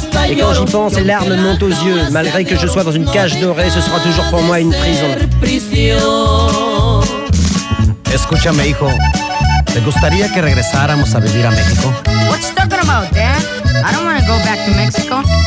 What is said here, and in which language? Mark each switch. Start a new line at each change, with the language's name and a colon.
French: Et quand j'y pense, les larmes montent aux yeux. Malgré que je sois dans une cage dorée, ce sera toujours pour moi une prison.
Spanish: Escúchame, hijo. ¿Te gustaría que regresáramos a vivir a México?
English: What you talking about, Dad? I don't want to go back to Mexico.